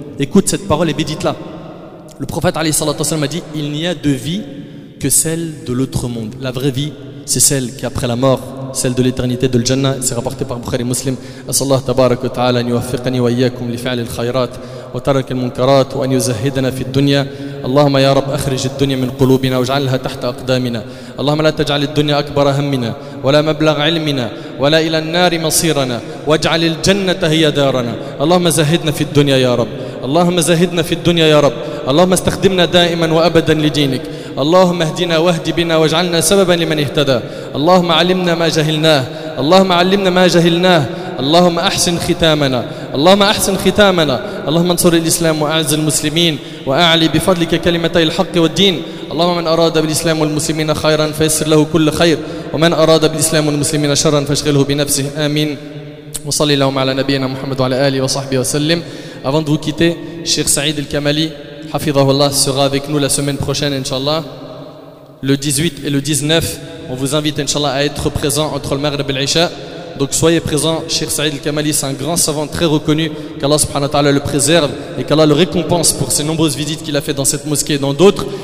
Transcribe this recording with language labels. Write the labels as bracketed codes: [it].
[fr] Écoute cette parole et médite-la. Le prophète alayhi salatu wasalam a dit: il n'y a de vie que celle de l'autre monde. La vraie vie, c'est celle qui après la mort, celle de l'éternité, de l'Jannah. C'est rapporté par Bukhari Muslim. [ar] Asallahu tabarak wa ta'ala an yuwaffiqani wa iyyakum li fi'li al-khayrat وترك المنكرات وأن يزهدنا في الدنيا. اللهم يا رب أخرج الدنيا من قلوبنا واجعلها تحت أقدامنا. اللهم لا تجعل الدنيا أكبر همنا ولا مبلغ علمنا ولا إلى النار مصيرنا، واجعل الجنة هي دارنا. اللهم زهدنا في الدنيا يا رب، اللهم زهدنا في الدنيا يا رب، اللهم استخدمنا دائما وأبدا لدينك. اللهم اهدنا واهد بنا واجعلنا سببا لمن اهتدى. اللهم علمنا ما جهلناه، اللهم علمنا ما جهلناه، اللهم أحسن ختامنا، اللهم أحسن ختامنا. اللهم انصر الإسلام وأعز المسلمين وأعلي بفضلك كلمتي الحق والدين. اللهم من أراد بالإسلام والمسلمين خيرا فيسر له كل خير، ومن أراد بالإسلام والمسلمين شرا فاشغله بنفسه. آمين. وصلي اللهم على نبينا محمد وعلى آله وصحبه وسلم. [fr] Avant de vous quitter, Cheikh Saïd Al-Kamali, [ar] حفظه الله, [fr] sera avec nous la semaine prochaine, inshallah, le 18 et le 19. On vous invite, inshallah, à être présent entre le Maghreb et l'Isha. Donc soyez présents. Cheikh Saïd Al-Kamali, c'est un grand savant très reconnu. Qu'Allah subhanahu wa ta'ala le préserve et qu'Allah le récompense pour ses nombreuses visites qu'il a fait dans cette mosquée et dans d'autres.